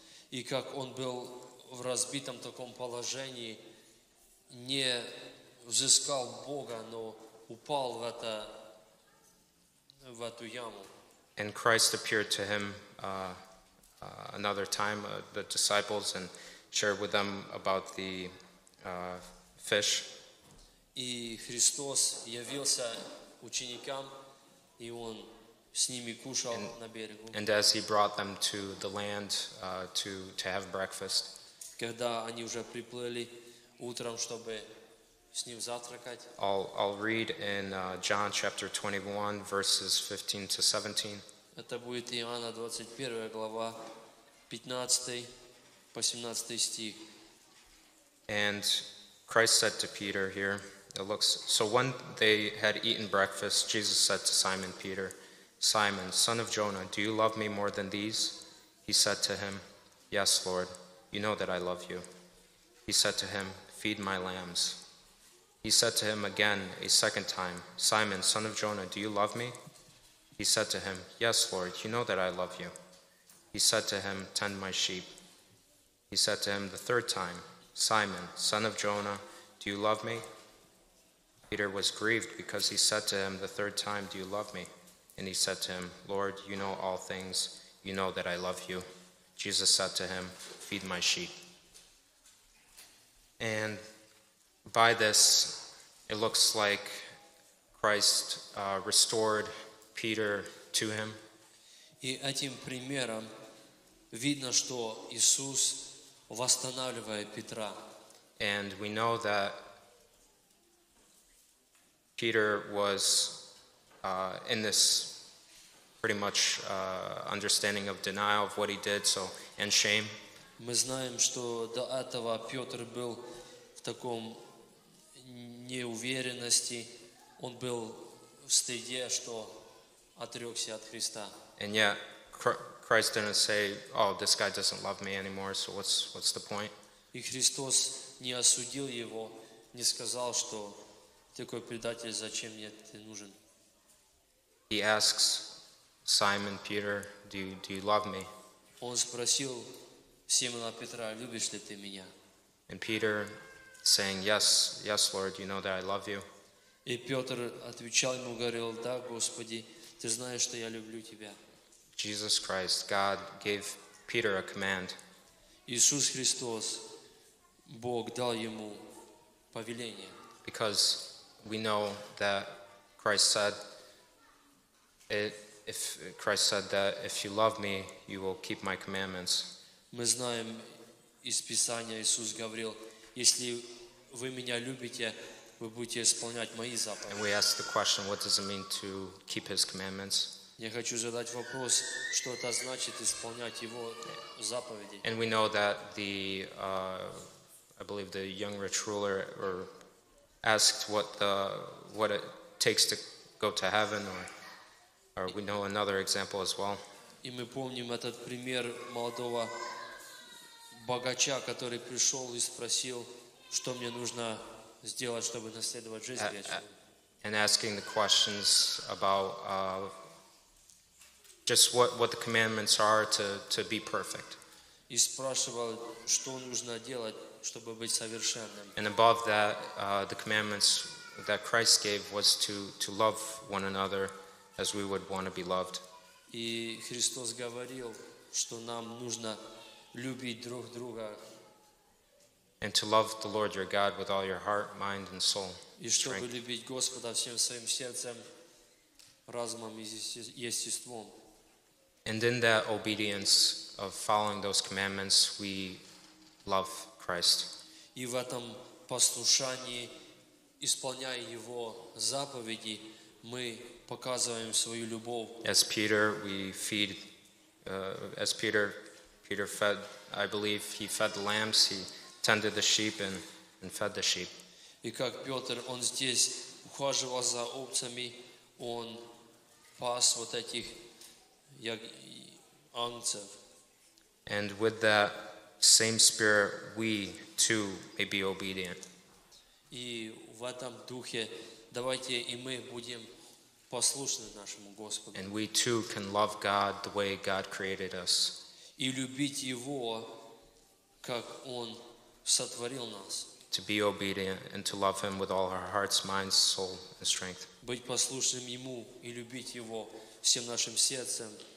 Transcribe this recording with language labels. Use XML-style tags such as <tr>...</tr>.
<ru>И как он был в разбитом таком положении, не взыскал Бога, но упал в это, в эту яму.</ru> <en>And Christ appeared to him another time, the disciples, and shared with them about the fish.</en> <ru>И Христос явился ученикам, и он с ними кушал на берегу.</ru> <en>And as he brought them to the land to have breakfast.</en> <ru>Когда они уже приплыли утром, чтобы с ним завтракать.</ru> <en>I'll read in John chapter 21, verses 15 to 17.</en> <ru>Это будет Иоанна 21 глава, 15 по 17 стих.</ru> <en>And Christ said to Peter here, it looks, so when they had eaten breakfast, Jesus said to Simon Peter, Simon, son of Jonah, do you love me more than these? He said to him, Yes, Lord, you know that I love you. He said to him, Feed my lambs. He said to him again a second time, Simon, son of Jonah, do you love me? He said to him, Yes, Lord, you know that I love you. He said to him, Tend my sheep. He said to him the third time, Simon, son of Jonah, do you love me? Peter was grieved because he said to him the third time, Do you love me? And he said to him, Lord, you know all things. You know that I love you. Jesus said to him, Feed my sheep. And by this, it looks like Christ restored Peter to him.</en> <ru>И этим примером видно, что Иисус восстанавливает Петра.</ru> <en>And we know that Peter was in this pretty much understanding of denial of what he did, so and shame.</en> <ru>Мы знаем, что до этого Петр был в таком неуверенности, он был в стыде, что отрекся от Христа.</ru> <en>And yet, Christ didn't say, oh, this guy doesn't love me anymore, so what's the point?</en> <ru>И Христос не осудил его, не сказал, что такой предатель, зачем мне ты нужен?</ru> <en>He asks Simon Peter, do you love me?</en> <ru>Он спросил Симона Петра, любишь ли ты меня?</ru> <en>And Peter saying, yes, Lord, you know that I love you.</en> <ru>И Петр отвечал ему, говорил, да, Господи, ты знаешь, что я люблю тебя.</ru> <en>Jesus Christ, God gave Peter a command.</en> <ru>Иисус Христос, Бог дал ему повеление.</ru> <en>Because we know that Christ said that if you love me, you will keep my commandments.</en> <ru>Мы знаем из Писания, Иисус говорил, если вы меня любите, вы будете исполнять мои заповеди.</ru> <en>And we ask the question, what does it mean to keep his commandments?</en> <ru>Я хочу задать вопрос, что это значит исполнять его заповеди.</ru> <en>And we know that the I believe the young rich ruler or asked what it takes to go to heaven or we know another example as well.</en> <ru>И мы помним этот пример молодого богача, который пришёл и спросил, что мне нужно сделать, чтобы наследовать жизнь вечную.</ru> <en>And asking the questions about just what the commandments are to be perfect.</en> <ru>И спрашивал, что нужно делать, чтобы быть совершенным.</ru> <en>And above that, the commandments that Christ gave was to love one another as we would want to be loved.</en> <ru>И Христос говорил, что нам нужно любить друг друга.</ru> <en>And to love the Lord your God with all your heart, mind, and soul.</en> <ru>И чтобы любить Господа всем своим сердцем, разумом и естеством.</ru> <en>And in that obedience of following those commandments, we love Christ.</en> <ru>И в этом послушании, исполняя Его заповеди, мы показываем свою любовь.</ru> <en>As Peter, we feed. As Peter fed. I believe he fed the lambs. He tended the sheep and fed the sheep.</en> <ru>И как Петр, он здесь ухаживал за овцами, он пас вот этих Ангцев.</ru> <en>And with that same spirit, we too may be obedient.</en> <ru>И в этом духе давайте и мы будем послушны нашему Господу.</ru> <en>And we too can love God the way God created us.</en> <ru>И любить Его, как Он сотворил нас.</ru> <en>To be obedient and to love Him with all our hearts, minds, soul, and strength.</en> <ru>Быть послушным Ему и любить Его всем нашим сердцем.</ru>